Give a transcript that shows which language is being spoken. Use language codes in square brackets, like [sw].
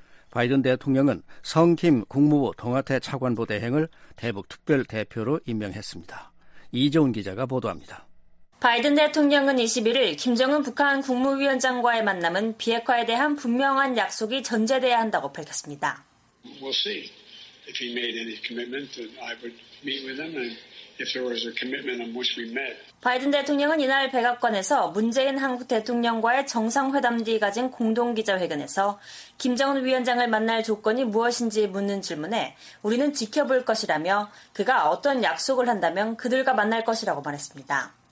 [ko] 바이든 대통령은 성김 국무부 동아태 차관보 대행을 대북특별대표로 임명했습니다. 이재훈 기자가 보도합니다. 바이든 대통령은 21일 김정은 북한 국무위원장과의 만남은 비핵화에 대한 분명한 약속이 전제돼야 한다고 밝혔습니다. [en] We'll see. if he made any commitment, then I would meet with him. And if there was a commitment on which we met. [ko] 바이든 대통령은 이날 백악관에서 문재인 한국 대통령과의 정상회담 뒤 가진 공동 기자회견에서 김정은 위원장을 만날 조건이 무엇인지 묻는 질문에 우리는 지켜볼 것이라며 그가 어떤 약속을 한다면 그들과 만날 것이라고 말했습니다.